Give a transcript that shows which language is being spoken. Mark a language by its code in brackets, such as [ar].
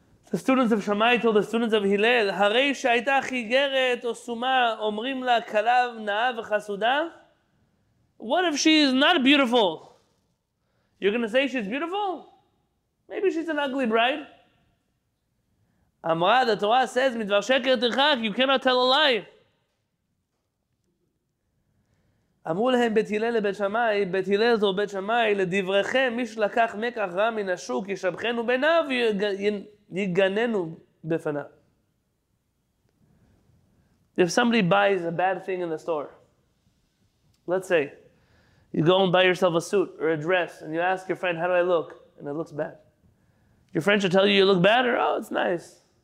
[en] The students of Shammai told the students of Hillel, [he] Harei shaita chigeret o suma, omrim la kalav na'a v'chasuda. [en] What if she is not beautiful? You're going to say she's beautiful? Maybe she's an ugly bride. Amra, the Torah says, [he] midvar sheker tichak, [en] you cannot tell a lie. [he] אמרו להם בית הלל לבית שמאי, בית הלל זו בית שמאי, לדבריכם, מי שלקח מקח רע מן השוק, ישבחנו בעיניו, יגננו בפניו. [en] If somebody buys a bad thing in the store, let's say, you go and buy yourself a suit or a dress, and you ask your friend, how do I look? And it looks bad. Your friend should tell you look bad, or, oh, it's nice.